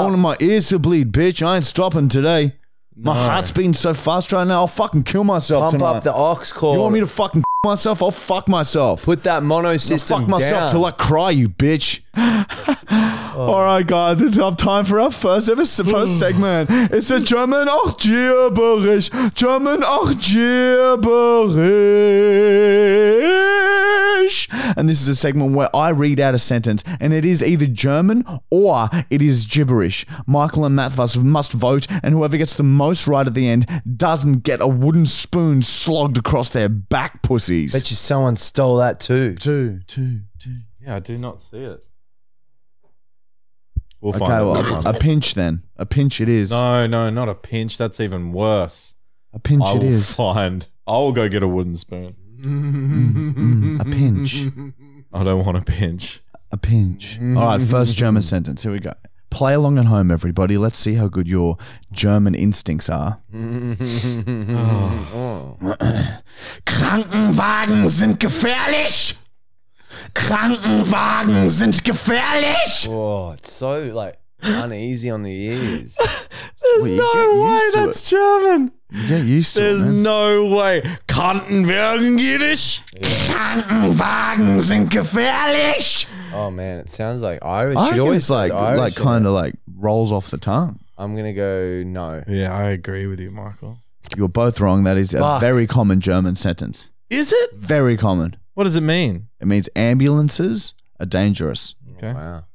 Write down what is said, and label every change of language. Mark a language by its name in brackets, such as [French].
[English] I want my ears to bleed, bitch. I ain't stopping today. No. My heart's beating so fast right now, I'll fucking kill myself tonight. Pump up the aux cord. You want me to fucking f*** myself? I'll fuck myself. Put that mono system down. I'll fuck myself till I cry, you bitch. Oh. All right, guys, it's up time for our first ever first segment. It's a German Achtjährbericht. German Achtjährbericht. And this is a segment where I read out a sentence and it is either German or it is gibberish. Michael and Matt must vote, and whoever gets the most right at the end doesn't get a wooden spoon slogged across their back pussies. Bet you someone stole that too. Two. Yeah, I do not see it. We'll find it. Well, a pinch then. A pinch it is. No, not a pinch. That's even worse. A pinch it is. I will go get a wooden spoon. A pinch. I don't want a pinch. A pinch. All right, first German sentence. Here we go. Play along at home, everybody. Let's see how good your German instincts are. [German] Krankenwagen sind gefährlich. Krankenwagen sind gefährlich. [English] Oh, it's so like uneasy on the ears. There's no way that's German. You get used to There's it, man. No way. Krankenwagen Yiddish. Yeah. [German] Krankenwagen sind gefährlich. [English] Oh, man. It sounds like Irish. I think it's like kind of like rolls off the tongue. I'm going to go no. Yeah, I agree with you, Michael. You're both wrong. That is a very common German sentence. Is it? Very common. What does it mean? It means ambulances are dangerous. Okay. Wow.